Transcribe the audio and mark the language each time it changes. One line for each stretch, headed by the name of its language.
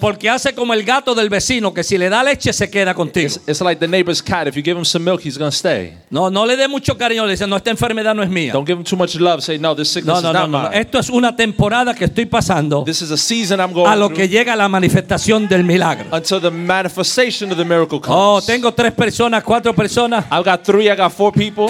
Spanish: Porque hace como el gato del vecino que si le da leche se queda contigo.
English: It's like the neighbor's cat. If you give him some milk, he's gonna stay.
Spanish: No le des mucho cariño. Le dice, no, esta enfermedad no es mía.
English: Don't give him too much love. Say no, this sickness is not mine.
Spanish: No. Esto es una temporada que estoy pasando.
English: This is a season I'm going
Spanish: a lo que llega la manifestación del milagro.
English: Until the manifestation of the miracle comes.
Spanish: Oh, tengo tres personas, cuatro personas.
English: I've got three. I've got four people